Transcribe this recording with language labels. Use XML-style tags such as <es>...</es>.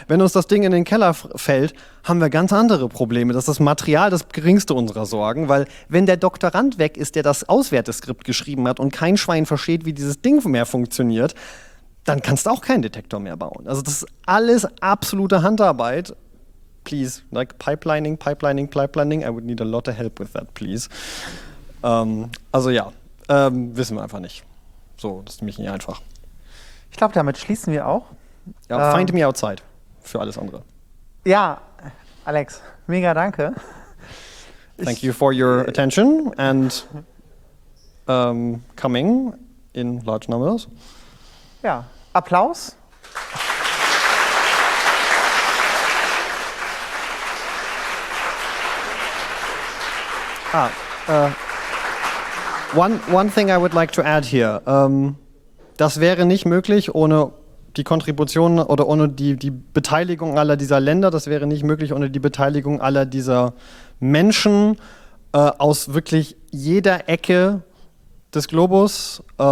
<de>Wenn uns das Ding in den Keller fällt, haben wir ganz andere Probleme. Das ist das Material, das geringste unserer Sorgen. Weil wenn der Doktorand weg ist, der das Auswerteskript geschrieben hat und kein Schwein versteht, wie dieses Ding mehr funktioniert, dann kannst du auch keinen Detektor mehr bauen. Also das ist alles absolute Handarbeit.</de> <en>Please, like pipelining. I would need a lot of help with that, please.</en> <de>Wissen wir einfach nicht. So, das ist nämlich nicht einfach. Ich glaube, damit schließen wir auch. Ja,</de> <en>find me outside</en> <de>für alles andere. Ja, Alex, mega danke.</de> <en>Thank you for your attention and coming in large numbers.</en> <de>Ja, Applaus.</de> <en>One thing I would like to add here.</en> <de>Das wäre nicht möglich ohne die Kontribution oder ohne die Beteiligung aller dieser Länder. Das wäre nicht möglich ohne die Beteiligung aller dieser Menschen aus wirklich jeder Ecke des Globus.</de>